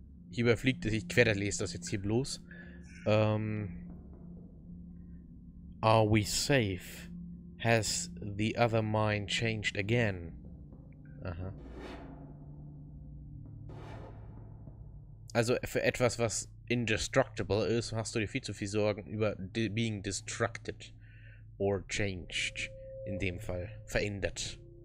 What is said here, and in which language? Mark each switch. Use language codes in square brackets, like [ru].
[de] Ich überfliege das, ich querlese das jetzt hier bloß. [en] Are we safe? Has the other mind changed again? Aha. [de] Also für etwas, was indestructible ist, hast du dir viel zu viel Sorgen über [en] being destructed or changed, [de] in dem Fall verändert.